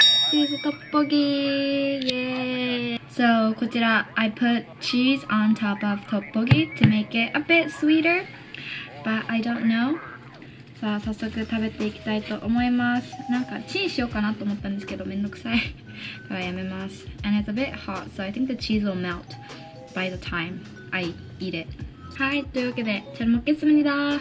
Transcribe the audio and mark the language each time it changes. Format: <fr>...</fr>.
<en>チーズトッポギー。Yeah. So, こちら I put cheese on top of topogi to make it a bit sweeter. But I don't know.</en> <ja>さあ、早速食べていきたいと思います。なんかチンしようかなと思ったんですけど、めんどくさい。ではやめます。</ja> <en>And it's a bit hot, so I think the cheese will melt by the time I eat it.</en> <ja>はい、というわけで、チャルモッケスムニだ。</ja>